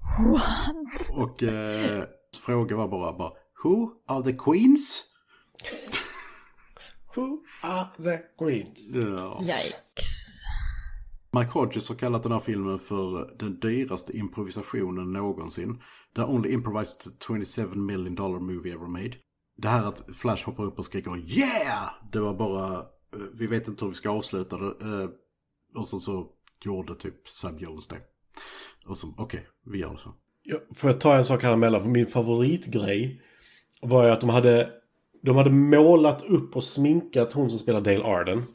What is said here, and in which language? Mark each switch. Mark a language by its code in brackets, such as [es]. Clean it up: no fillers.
[en] What? [sv] Och frågan var bara, [en] who are the queens? Who are the greens? [sv] Ja. [en] Yikes. [sv] Mike Hodges har kallat den här filmen för den dyraste improvisationen någonsin. [en] The only improvised $27 million movie ever made. [sv] Det här att Flash hoppar upp och skriker yeah! Det var bara, vi vet inte hur vi ska avsluta det. Och så gjorde typ Sam Jones det. Och så, okej, vi gör det så. Ja, får jag ta en sak här emellan? För min favoritgrej var ju att de hade målat upp och sminkat hon som spelar Dale Arden.